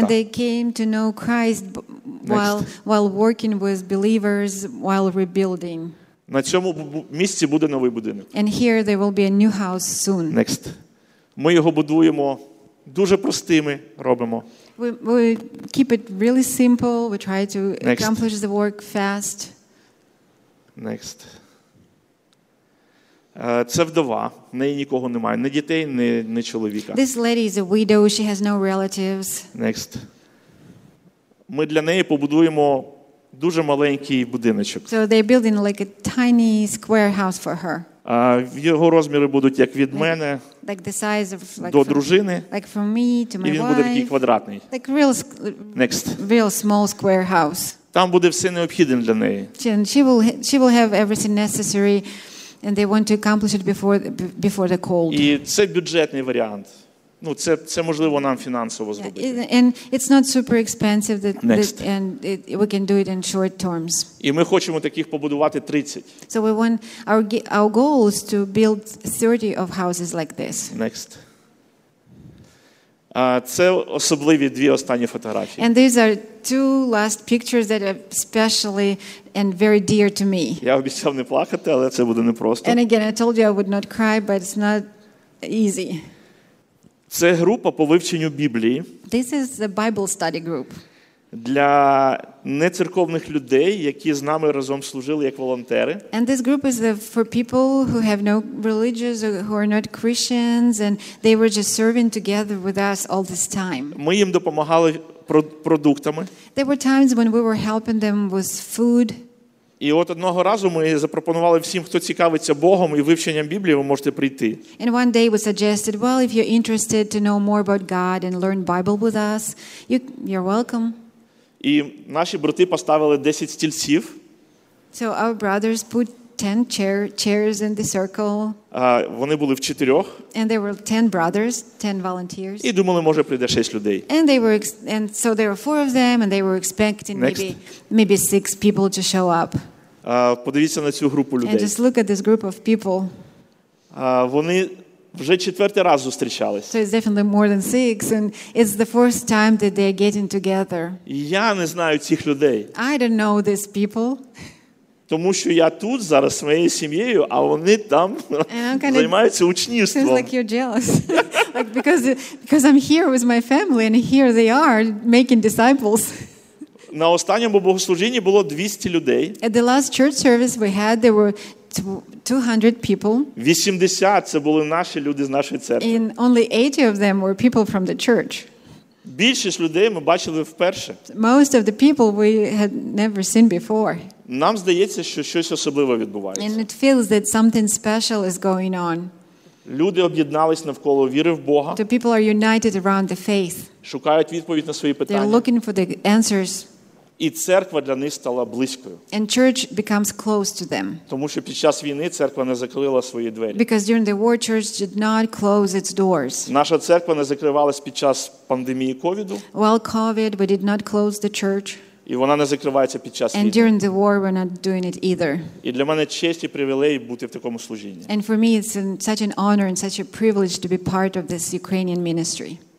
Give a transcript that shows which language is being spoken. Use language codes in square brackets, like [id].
[en] And they came to know Christ while working with believers while rebuilding. [uk] На цьому місці буде новий будинок. [en] And here there will be a new house soon. Next. [uk] Ми його будуємо дуже простими, робимо. [en] We keep it really simple. We try to accomplish the work fast. Next. [uk] Це вдова, в неї нікого немає, ні дітей, ні чоловіка. [en] This lady is a widow, she has no relatives. Next. [uk] Ми для неї побудуємо дуже маленький будиночок. [en] So they're building like a tiny square house for her. [uk] Його розміри будуть як від мене до дружини. [en] Like from me to my wife. [uk] І він буде такий квадратний. [en] Like real, next. Real small square house. [uk] Там буде все необхідне для неї. [en] She will have everything necessary. And they want to accomplish it before the cold. [uk] І це бюджетний варіант. Ну, це можливо нам фінансово зробити. [en] And it's not super expensive we can do it in short terms. [uk] І ми хочемо таких побудувати 30. [en] So we want our goal is to build 30 of houses like this. Next. [uk] Це особливі дві останні фотографії. [en] And these are two last pictures that are especially and very dear to me. [uk] Я обіцяв не плакати, але це буде непросто. [en] And again, I told you I would not cry, but it's not easy. [uk] Це група по вивченню Біблії. [en] This is the Bible study group. [uk] Для нецерковних людей, які з нами разом служили як волонтери. [en] And this group is for people who have no religious or who are not Christians and they were just serving together with us all this time. [uk] Ми їм допомагали продуктами. [en] There were times when we were helping them with food. [uk] І от одного разу ми запропонували всім, хто цікавиться Богом і вивченням Біблії, ви можете прийти. [en] And one day we suggested, well, if you're interested to know more about God and learn Bible with us, you're welcome. [uk] І наші брати поставили 10 стільців. [en] So our brothers put 10 chairs in the circle. [uk] Вони були в чотирьох. [en] And there were 10 brothers, 10 volunteers. [uk] І думали, може прийде 6 людей. [en] And they were and so there were 4 of them and they were expecting Next. maybe 6 people to show up. [uk] Подивіться на цю групу людей. [en] And just look at this group of people. [uk] Вони вже четвертий раз зустрічались. [en] So it's definitely more than 6 and it's the first time that they're getting together. [uk] Я не знаю цих людей. [en] I don't know these people. [uk] Тому що я тут зараз з моєю сім'єю, а вони там займаються учнівством. [en] Seems like you're jealous. Like because I'm here with my family and here they are making disciples. [uk] На останньому богослужінні було 200 людей. [en] At the last church service we had there were 200 people. [uk] 80 це були наші люди з нашої церкви. [en] And only 80 of them were people from the church. [uk] Більшість людей ми бачили вперше. [en] Most of the people we had never seen before. [uk] Нам здається, що щось особливе відбувається. [en] And it feels that something special is going on. [uk] Люди об'єднались навколо віри в Бога. [en] The people are united around the faith. [uk] Шукають відповідь на свої питання. [en] They're looking for the answers. [uk] І церква для них стала близькою. [en] And church becomes close to them. [uk] Тому що під час війни церква не закрила свої двері. [en] Because during the war, church did not close its doors. [uk] Наша церква не закривалась під час пандемії ковіду. [en] While COVID, we did not close the church. [uk] І вона не закривається під час [en] And [uk] війни. [en] During the war, we're not doing it either. [uk] І для мене честь і привілей бути в такому служінні. [en] And for me, it's such an honor and such a privilege to be part of this Ukrainian ministry.